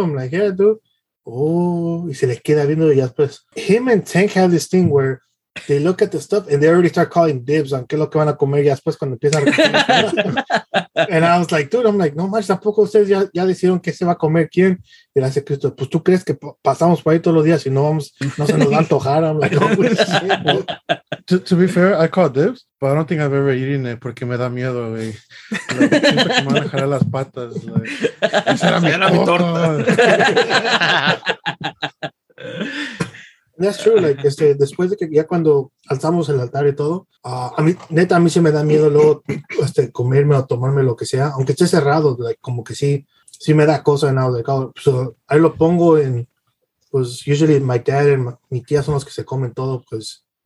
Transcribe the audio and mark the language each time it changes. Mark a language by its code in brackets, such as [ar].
[en] I'm like, yeah, dude. Oh, [es] y se les queda viendo. [en] Y después, him and Tank have this thing where they look at the stuff and they already start calling dibs on [es] qué es lo que van a comer [en] ya después cuando empiezan a comer. And I was like, dude, I'm like, [es] no manches, tampoco ustedes ya decidieron qué se va a comer quién. Y le hace Cristo, pues tú crees que pasamos por ahí todos los días y no se nos va a antojar. [en] I'm like, [es] no, pues, [en] to be fair, I call dibs, but I don't think I've ever eaten it [es] porque me da miedo, güey. Like, siempre que me van a jalar las patas. [en] Like, [es] será mi torta. [en] That's true, like, [es] después de que ya cuando alzamos el altar y todo, a mí, neta, a mí sí me da miedo luego comerme o tomarme lo que sea, aunque esté cerrado, like, como que sí me da cosa, [en] and I was like, oh, so [es] ahí lo pongo en, pues, [en] usually my dad and [es] mi tía son los que se comen todo, pues.